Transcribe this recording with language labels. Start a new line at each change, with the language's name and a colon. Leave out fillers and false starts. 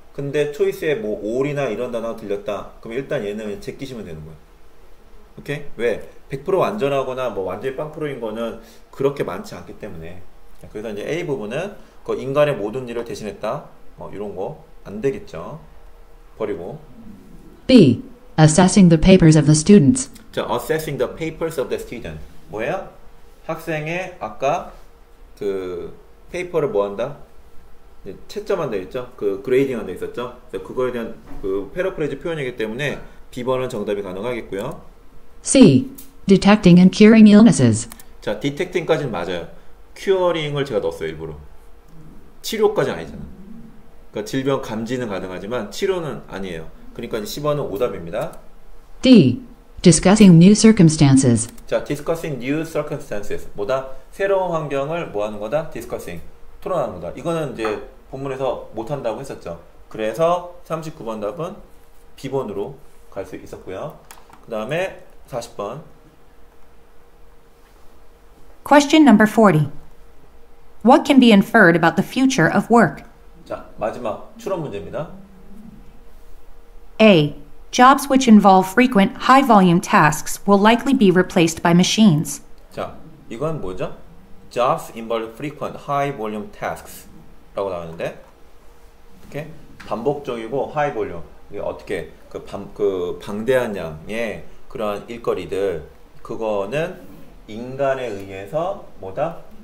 Korean: 근데 초이스에 뭐 all이나 이런 단어가 들렸다. 그럼 일단 얘는 제끼시면 되는 거예요. 오케이? 왜? 100% 완전하거나 뭐 완전히 빵프로인 거는 그렇게 많지 않기 때문에. 그래서 이제 A 부분은 그 인간의 모든 일을 대신했다. 이런 거 안 되겠죠. 버리고. B.
English: Assessing the papers of the students. 자, assessing the papers of the student.
Korean: 뭐예요? 학생의 아까 그 페이퍼를 뭐 한다? 채점한 데 있죠? 그 그레이딩 한 데 있었죠? 그거에 대한 그 패러프레이즈 표현이기 때문에 B번은 정답이 가능하겠고요. C.
English: Detecting and curing illnesses.
Korean: 자, detecting까지는 맞아요. curing을 제가 넣었어요, 일부러. 치료까지는 아니잖아. 그러니까 질병 감지는 가능하지만 치료는 아니에요. 그러니까 10번은 오답입니다.
English: D. Discussing new circumstances. 자, discussing new circumstances.
Korean: 뭐다? 새로운 환경을 뭐 하는 거다? discussing. 토론하는 거다. 이거는 이제 본문에서 못 한다고 했었죠. 그래서 39번 답은 B번으로 갈 수 있었고요. 그 다음에 40번.
English: Question number 40. What can be inferred about the future of work?
Korean: 자, 마지막 추론 문제입니다. A.
English: Jobs which involve frequent high volume tasks will likely be replaced by machines.
Korean: 자, 이건 뭐죠?
English: Jobs involve frequent high volume tasks
Korean: 라고 나왔는데, 이렇게 반복적이고
English: high volume.
Korean: 이게 어떻게 그 방대한 양의 그런 일거리들, 그거는 인간에 의해서 뭐다?